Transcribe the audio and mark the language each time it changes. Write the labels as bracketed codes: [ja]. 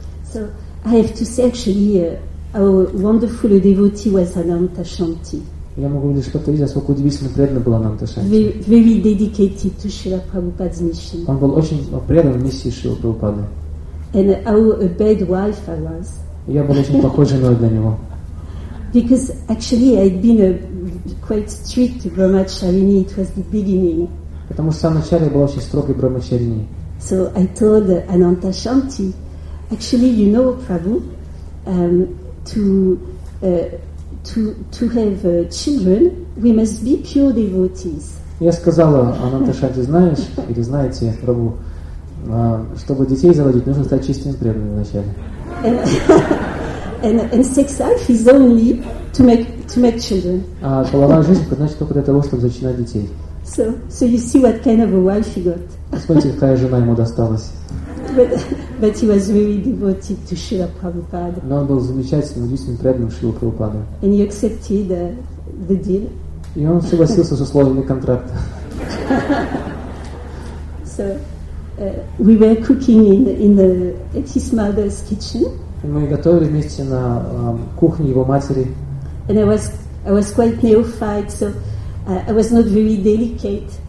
[en] So I have to say actually our wonderful devotee was Anantashanti. [ru] Я могу лишь повторить, насколько удивительно преданно было Ананташанти. [en] Very dedicated to Srila Prabhupada's mission. [ru] Он был очень предан миссии Шрилы Прабхупады. [en] And how a bad wife I was. [ru] Я был очень плохой женой для него. [en] Because actually I'd been a quite strict brahmacharini. It was the beginning. [ru] Потому что в самом начале я была очень строгой брахмачарини. [en] So I told Anantashanti, actually, you know, Prabhu, to have children, we must be pure devotees. [ru] Я сказала Ананташанти, знаете, Прабху, чтобы детей заводить, нужно стать чистыми преданными вначале. [en] And sex life is only to make children. [ru] А половая жизнь предназначена только для того, чтобы зачинать детей. [en] So you see what kind of a wife he got. [ru] Посмотрите, какая жена ему досталась. [en] But he was very devoted to Srila Prabhupada. [ru] Но он был замечательным, удивительным преданным Шрилы Прабхупады. [en] And he accepted the deal. [ru] И он согласился с условиями контракта. [en] So we were cooking at his mother's kitchen. [ru] И мы готовили вместе на кухне его матери. [en] And I was quite neophyte, so I was not very delicate.